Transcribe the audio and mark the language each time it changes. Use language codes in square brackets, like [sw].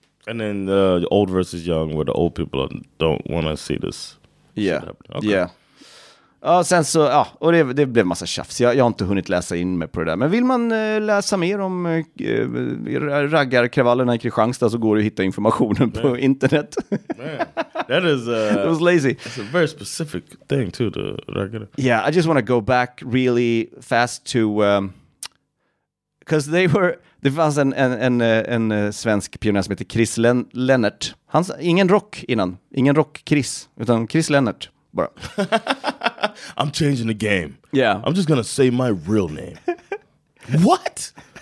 [en] And then the old versus young, where the old people don't want to see this. Yeah, okay. Yeah. [sv] Ja, sen så, ja, och det blev massa tjafs. Jag har inte hunnit läsa in mig på det där. Men vill man läsa mer om raggarkravallerna i Kristianstad så går det att hitta informationen på internet. [en] Man, that is... it was lazy. It's a very specific thing too, the raggare. Yeah, I just want to go back really fast to... Because they were... [sv] Det fanns en svensk pionjär som heter Chris Lennart. Han, ingen rock innan. Ingen rock Chris, utan Chris Lennart. Bara. [en] I'm changing the game. Yeah. I'm just gonna say my real name. What?